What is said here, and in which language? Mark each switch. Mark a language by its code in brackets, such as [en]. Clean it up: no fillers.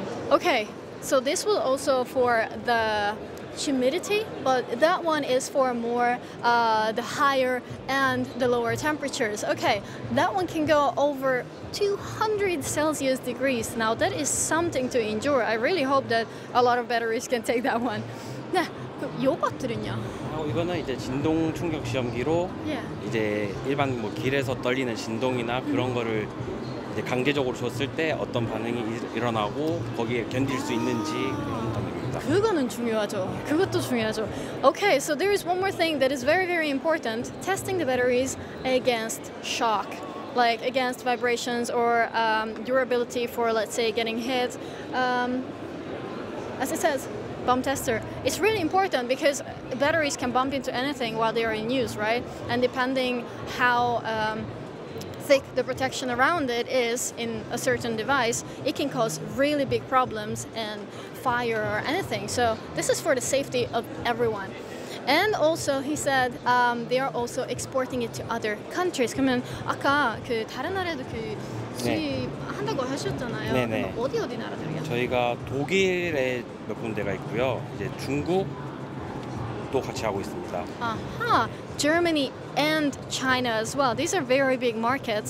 [en] Okay, so this will also for the humidity, but that one is for more the higher and the lower temperatures. Okay, that one can go over 200 Celsius degrees. Now that is something to endure. I really hope that a lot of batteries can take that one. [ko] 네, 요 것들은요? 이거는 이제 진동 충격 시험기로 이제 일반 뭐 길에서 떨리는 진동이나 그런 거를 이제 강제적으로 줬을 때 어떤 반응이 일어나고 거기에 견딜 수 있는지 그런 겁니다. 그거는 중요하죠. 그것도 중요하죠. [en] Okay, so there is one more thing that is very very important. Testing the batteries against shock, like against vibrations or durability for let's say getting hit. As it says. Bump tester. It's really important because batteries can bump into anything while they are in use, right? And depending how thick the protection around it is in a certain device, it can cause really big problems and fire or anything. So this is for the safety of everyone. And also, he said they are also exporting it to other countries. [ko] 그러면 아까 그 다른 나라에도 그 수입한다고 하셨잖아요. 네네. 어디 어디 나라들이요? 저희가 독일에 몇 군데가 있고요. 이제 중국도 같이 하고 있습니다. [en] Germany and China as well. These are very big markets.